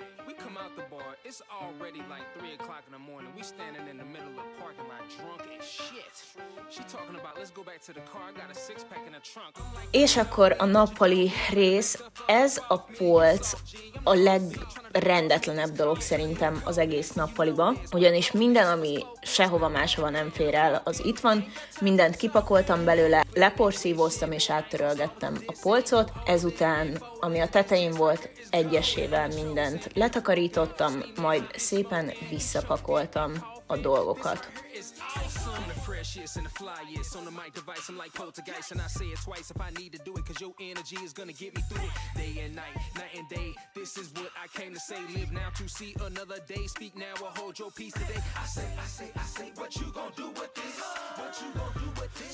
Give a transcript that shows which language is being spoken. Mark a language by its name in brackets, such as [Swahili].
[English] We come out the bar, it's already like 3 o'clock in the morning. We standing in the middle of the parking lot drunk as shit. She talking about let's go back to the car, I got a six pack in the trunk. [Hungarian] És akkor a nappali rész, ez a polc a legrendetlenebb dolog szerintem az egész nappaliba, ugyanis minden, ami sehova máshova nem fér el, az itt van, mindent kipakoltam belőle, leporszívóztam és áttörölgettem a polcot, ezután, ami a tetején volt, egyesével mindent letakarítottam, majd szépen visszapakoltam a dolgokat. [English] awesome. I'm the freshest and the flyest on the mic device. I'm like Poltergeist, and I say it twice if I need to do it, 'cause your energy is gonna get me through it. Day and night, night and day, this is what I came to say. Live now to see another day. Speak now or hold your peace today. I say, what you gonna do with this? What you gonna do with this?